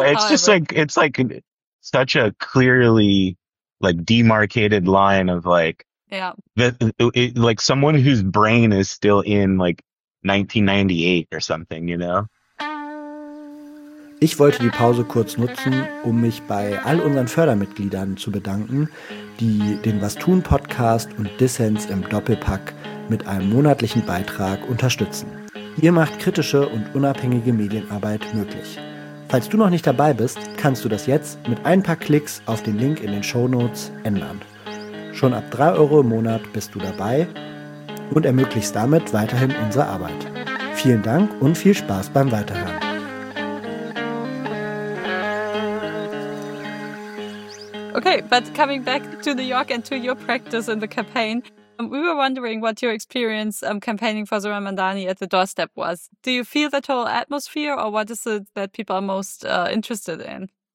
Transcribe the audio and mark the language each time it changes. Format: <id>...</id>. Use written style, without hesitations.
<en>just like, it's like such a clearly like demarcated line of like, like someone whose brain is still in like 1998 or something, you know?</en> <de>Ich wollte die Pause kurz nutzen, um mich bei all unseren Fördermitgliedern zu bedanken, die den Was-Tun-Podcast und Dissens im Doppelpack mit einem monatlichen Beitrag unterstützen. Ihr macht kritische und unabhängige Medienarbeit möglich. Falls du noch nicht dabei bist, kannst du das jetzt mit ein paar Klicks auf den Link in den Shownotes ändern. Schon ab 3 Euro im Monat bist du dabei und ermöglichst damit weiterhin unsere Arbeit. Vielen Dank und viel Spaß beim Weiterhören.</de> <en>Okay, but coming back to New York and to your practice in the campaign, we were wondering what your experience campaigning for Zoran Mamdani at the doorstep was. Do you feel that whole atmosphere or what is it that people are most interested in?</en>